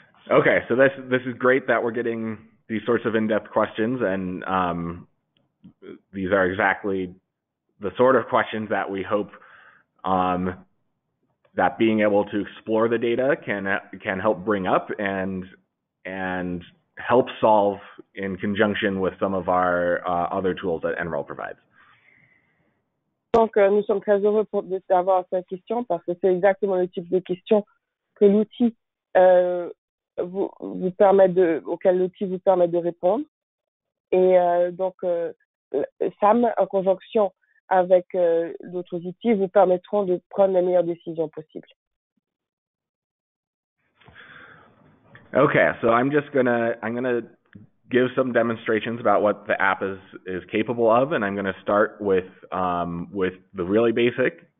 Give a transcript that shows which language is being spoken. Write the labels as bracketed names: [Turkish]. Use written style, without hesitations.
[English] Okay, so this is great that we're getting these sorts of in-depth questions, and these are exactly the sort of questions that we hope that being able to explore the data can help bring up and help solve in conjunction with some of our other tools that NREL provides. [French] Donc, nous sommes très heureux d'avoir cette question parce que c'est exactement le type de question que l'outil vous permet de, auquel l'outil vous permet de répondre. Et donc, SAM, en conjonction avec d'autres outils, vous permettront de prendre les meilleures décisions possibles. [English] Okay, so I'm gonna give some demonstrations about what the app is capable of, and I'm going to start with the really basic.